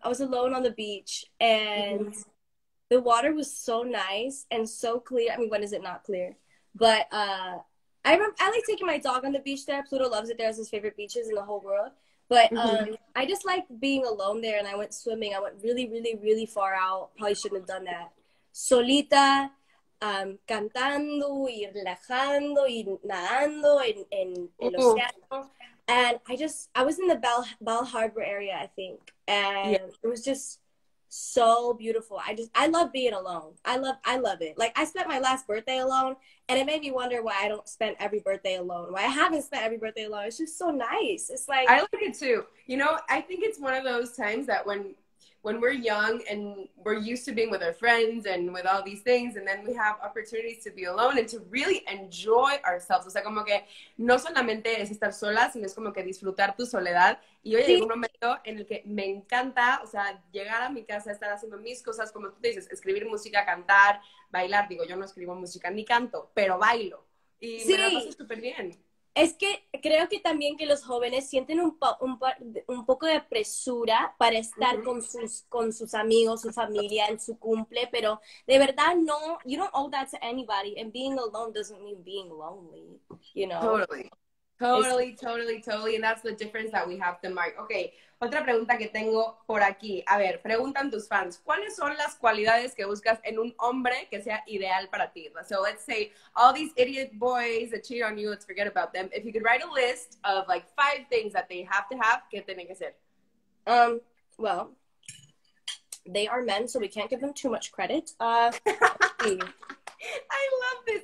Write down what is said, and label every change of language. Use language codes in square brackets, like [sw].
[en] I was alone on the beach, and the water was so nice and so clear. I mean, when is it not clear? But I like taking my dog on the beach there. Pluto loves it there. It's his favorite beaches in the whole world. But I just like being alone there, and I went swimming. I went really, really, really far out. Probably shouldn't have done that. Solita. [es] Cantando y relajando y nadando en el océano. [en] And I was in the Bell Harbor area, I think. And It was just so beautiful. I love being alone. I love it. Like, I spent my last birthday alone, and it made me wonder why I don't spend every birthday alone. Why I haven't spent every birthday alone. It's just so nice. It's like, I like it too. You know, I think it's one of those times that when we're young and we're used to being with our friends and with all these things, and then we have opportunities to be alone and to really enjoy ourselves. [es] O sea, como que no solamente es estar sola, sino es como que disfrutar tu soledad. Y hoy llega un momento en el que me encanta, o sea, llegar a mi casa, estar haciendo mis cosas, como tú dices, escribir música, cantar, bailar. Digo, yo no escribo música ni canto, pero bailo. Y sí. Me la paso súper bien. Es que creo que también que los jóvenes sienten un poco de presura para estar con sus amigos, su familia, en su cumple, pero de verdad no, [en] you don't owe that to anybody, and being alone doesn't mean being lonely, you know? Totally, and that's the difference that we have to mark. [es] Okay, otra pregunta que tengo por aquí. A ver, preguntan tus fans, ¿cuáles son las cualidades que buscas en un hombre que sea ideal para ti? [en] So let's say all these idiot boys that cheat on you, let's forget about them. If you could write a list of like 5 things that they have to have, [es] ¿qué tienen que ser? [en] Well, they are men, so we can't give them too much credit. I love this.